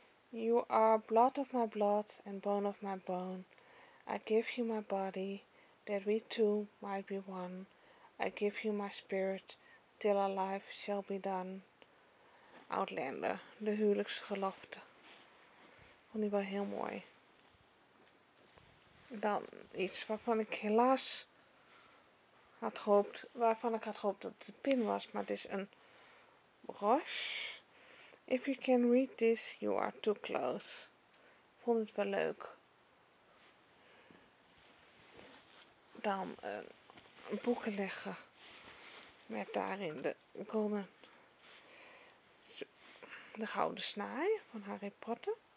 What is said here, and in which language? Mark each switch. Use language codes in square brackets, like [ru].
[en] You are blood of my blood and bone of my bone. I give you my body, that we two might be one. I give you my spirit, till our life shall be done. [nl] Outlander, de huwelijksgelofte. Vond die wel heel mooi. Dan iets waarvan ik helaas had gehoopt, waarvan ik had gehoopt dat het een pin was, maar het is een broche. [en] If you can read this, you are too close. [nl] Vond het wel leuk. Dan boeken leggen met daarin de golden, de gouden snaai van Harry Potter.